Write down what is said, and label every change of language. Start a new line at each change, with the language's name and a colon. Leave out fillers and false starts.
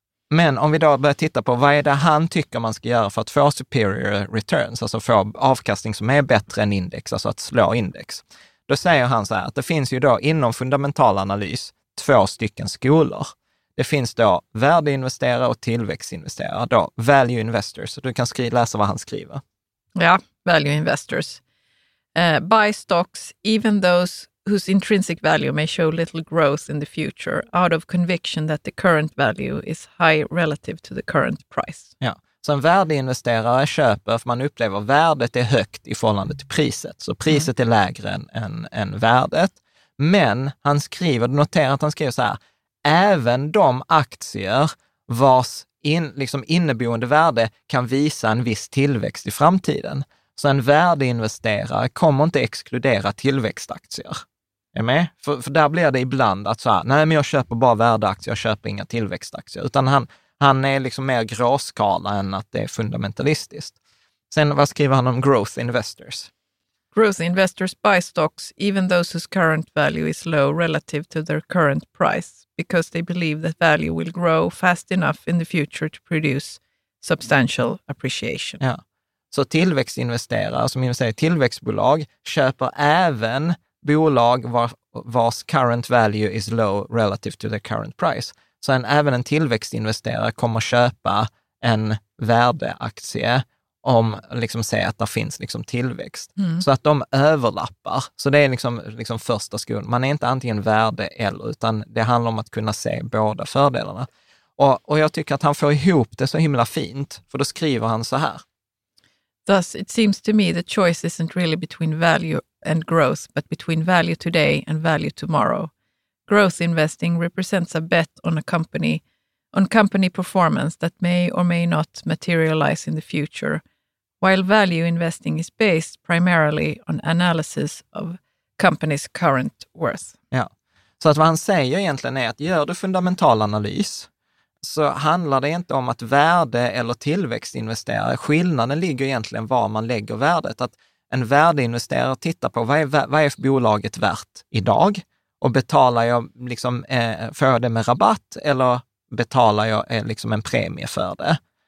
Swedish: Men om vi då börjar titta på vad är det han tycker man ska göra för att få superior returns, alltså få avkastning som är bättre än index, alltså att slå index. Då säger han så här att det finns ju då inom fundamental analys två stycken skolor. Det finns då värdeinvesterare och tillväxtinvesterare, då value investors. Så du kan läsa vad han skriver. Ja, value investors.
English: Buy stocks, even those whose intrinsic value may show little growth in the future, out of conviction that the current value is high relative to the current price.
Swedish: Ja, så en värdeinvesterare köper för man upplever värdet är högt i förhållande till priset. Så priset är lägre än värdet. Men han skriver, notera att han skriver så här, även de aktier vars inneboende värde kan visa en viss tillväxt i framtiden. Så en värdeinvesterare kommer inte exkludera tillväxtaktier. Är med? För där blir det ibland att så här, nej men jag köper bara värdeaktier, jag köper inga tillväxtaktier. Utan han är liksom mer gråskala än att det är fundamentalistiskt. Sen vad skriver han om growth investors?
English: Growth investors buy stocks, even those whose current value is low relative to their current price, because they believe that value will grow fast enough in the future to produce substantial appreciation.
Swedish: Ja, så tillväxtinvesterare, som jag säger tillväxtbolag, köper även bolag vars current value is low relative to the current price. Så även en tillväxtinvesterare kommer köpa en värdeaktie om liksom säger att det finns liksom tillväxt. Mm. Så att de överlappar. Så det är liksom första skolan. Man är inte antingen värde eller, utan det handlar om att kunna se båda fördelarna. Och jag tycker att han får ihop det så himla fint, för då skriver han så här.
English: Thus, it seems to me the choice isn't really between value and growth, but between value today and value tomorrow. Growth investing represents a bet on company performance that may or may not materialize in the future, while value investing is based primarily on analysis of company's current worth.
Swedish: Ja, så att vad han säger egentligen är att gör du fundamental analys så handlar det inte om att värde eller tillväxtinvesterare, skillnaden ligger egentligen var man lägger värdet, att en värdeinvesterare tittar på vad är bolaget värt idag och betalar jag liksom, för det med rabatt eller betalar jag liksom en premie för det.